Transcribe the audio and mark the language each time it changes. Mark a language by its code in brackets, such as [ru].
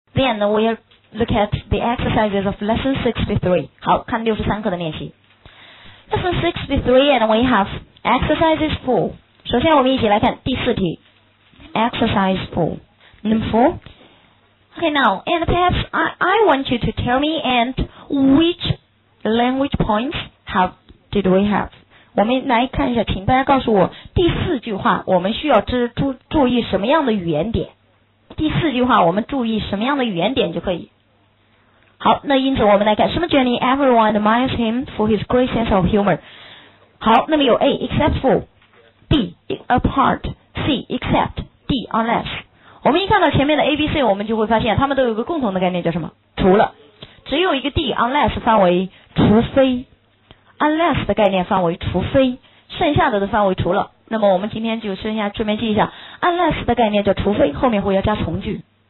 [en] again, we'll look at the exercises of lesson 63. [zh] 好，看六十三课的练习。 [en] Lesson 63, and we have exercises 4. [zh] 首先我们一起来看第四题。 [en] Exercise 4. Number 4. Okay, now, and perhaps I want you to tell me and which language points did we have? [zh] 我们来看一下，请大家告诉我第四句话我们需要注意什么样的语言点，第四句话我们注意什么样的语言点就可以。好，那因此我们来看，什么 [en] Jenny everyone admires him for his great sense of humor。 [zh] 好，那么有 A except for, B apart, C except, D unless。我们一看到前面的 ABC, 我们就会发现他们都有一个共同的概念，叫什么？除了，只有一个 D unless 范围，除非，unless 的概念范围除非，剩下的范围除了。那么我们今天就剩下顺便记一下 unless 的概念叫除非，后面会要加从句。